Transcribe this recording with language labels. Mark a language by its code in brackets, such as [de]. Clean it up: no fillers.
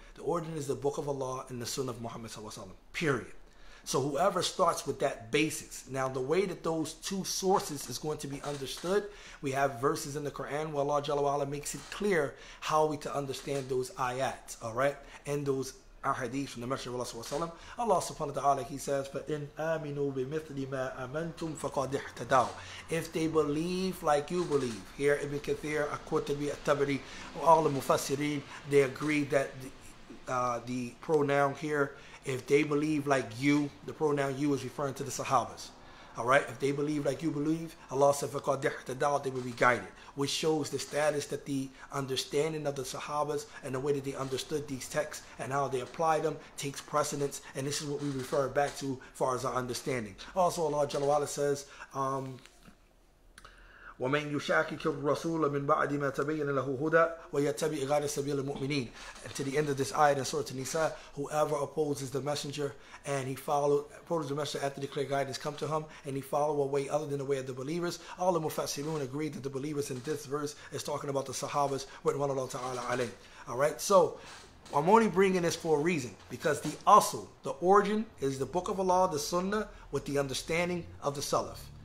[en] The origin is the Book of Allah and the Sunnah of Muhammad Sallallahu Alaihi Wasallam. Period. So whoever starts with that basis. Now the way that those two sources is going to be understood, we have verses in the Quran where Allah Jalla wa'ala makes it clear how we to understand those ayat, alright? And those Ahadith from the Messenger of Allah Sallallahu Alaihi Wasallam. Allah subhanahu wa ta'ala, he says, [ar] فَإِنْ آمِنُوا بِمِثْلِ مَا أَمَنْتُمْ فَقَدْ اِحْتَدَوْا. [en] If they believe like you believe. Here Ibn Kathir, Al-Qurtubi, Al-Tabari, all the Mufassireen, they agree that the pronoun here, if they believe like you, the pronoun you is referring to the Sahabas. Alright, if they believe like you believe, Allah said, [ar] فَقَدْ اِحْتَدَوْا, [en] they will be guided. Which shows the status that the understanding of the Sahabas and the way that they understood these texts and how they apply them takes precedence. And this is what we refer back to as far as our understanding. Also, Allah Jalla wa'ala says, [ar] وَمَنْ يُشَاكِكِ الرَّسُولَ مِنْ بَعْدِ مَا تَبَيَّنَ لَهُ هُدَى وَيَتَّبِعِ غَيْرَ سَبِيلِ الْمُؤْمِنِينَ. [en] And to the end of this ayat in Surah An-Nisa, whoever opposes the messenger and he follows the messenger after the clear guidance come to him and he follow a way other than the way of the believers, all the Mufassirun agree that the believers in this verse is talking about the Sahabas with one Allah Ta'ala alayhi. Alright, so I'm only bringing this for a reason, because the asl, the origin, is the Book of Allah, the Sunnah, with the understanding of the Salaf.